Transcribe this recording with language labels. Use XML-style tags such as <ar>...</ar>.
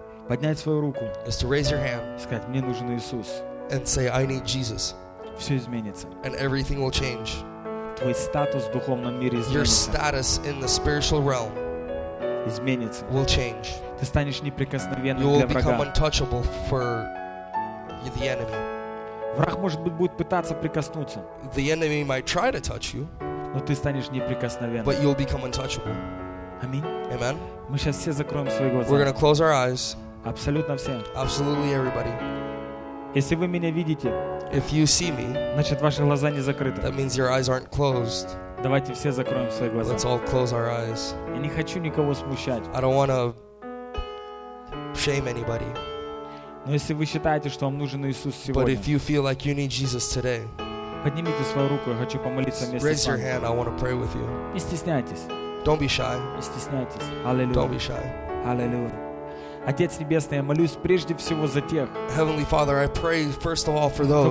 <ru>Поднять свою руку.</ru> <en>Is to raise your hand.</en> <ru>Сказать, мне нужен Иисус.</ru> <en>And say, I need Jesus.</en> <ru>Все изменится.</ru> <en>And everything will change.</en> <ru>твой статус в духовному мире изменится.</ru> <en>Your status in the spiritual realm</en> <ru>изменится.</ru> <en>Will change.</en> <ru>Ты станешь неприкосновенным для врага.</ru> <en>You will become untouchable for the enemy.</en> <ru>Враг, может быть, будет пытаться прикоснуться.</ru> <en>The enemy might try to touch you.</en> <ru>Но ты станешь неприкосновенным.</ru> <en>But you'll become untouchable.</en> <ru>Аминь.</ru> <en>Amen.</en> <ru>Мы сейчас все закроем свои глаза.</ru> <en>We're going to close our eyes.</en> <ru>Абсолютно все.</ru> <en>Absolutely everybody.</en> <ru>Если вы меня видите,</ru> <en>if you see me,</en> <ru>значит, ваши глаза не закрыты.</ru> <en>That means your eyes aren't closed.</en> <ru>Давайте все закроем свои глаза.</ru> <en>Let's all close our eyes.</en> <ru>Я не хочу никого смущать.</ru> <en>I don't want to shame anybody.</en> <ru>Но если вы считаете, что вам нужен Иисус сегодня,</ru> <en>but if you feel like you need Jesus today,</en> <ru>поднимите свою руку, я хочу помолиться вместе с вами.</ru> <en>Raise your hand, I want to pray with you.</en> <ru>Не стесняйтесь.</ru> <en>Don't be shy.</en> <ru>Не стесняйтесь. Аллилуйя.</ru> <en>Don't be shy.</en> <ru>Аллилуйя. Отец Небесный, я молюсь прежде всего за тех,</ru> <en>Heavenly Father, I pray first of all for those,</en>